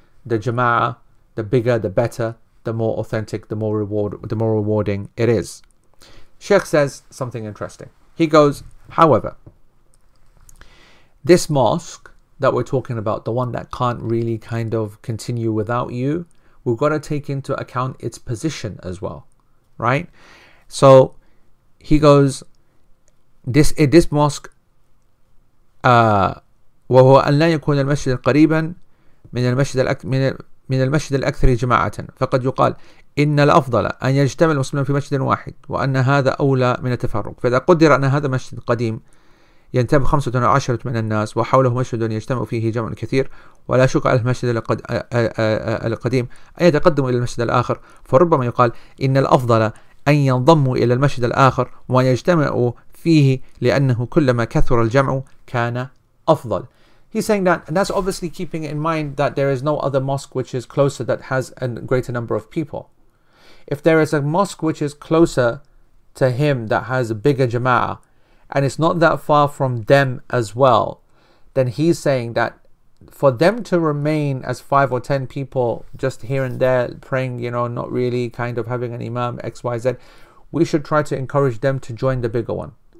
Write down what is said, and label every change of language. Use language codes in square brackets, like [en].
[en] The jama'ah, the bigger, the better, the more authentic, the more rewarding it is. Sheikh says something interesting. He goes, however, this mosque that we're talking about, the one that can't really kind of continue without you, we've got to take into account its position as well, right? So he goes, this mosque, [ar] وهو أن لا يكون المسجد قريبا من المسجد الأكثر جماعة. فقد يقال إن الأفضل أن يجتمع المسلمون في مسجد واحد وأن هذا أولى من التفرق. فإذا قدر أن هذا مسجد قديم ينتمي 15 من الناس وحوله مسجد يجتمع فيه جمع كثير ولا شك على المسجد القديم أن يتقدم إلى المسجد الآخر، فربما يقال إن الأفضل أن ينضموا إلى المسجد الآخر ويجتمعوا فيه لأنه كلما كثر الجمع كان أفضل. [en] He's saying that, and that's obviously keeping in mind that there is no other mosque which is closer that has a greater number of people. If there is a mosque which is closer to him that has a bigger jama'ah, and it's not that far from them as well, then he's saying that for them to remain as 5 or 10 people just here and there praying, you know, not really kind of having an imam, X, Y, Z, we should try to encourage them to join the bigger one.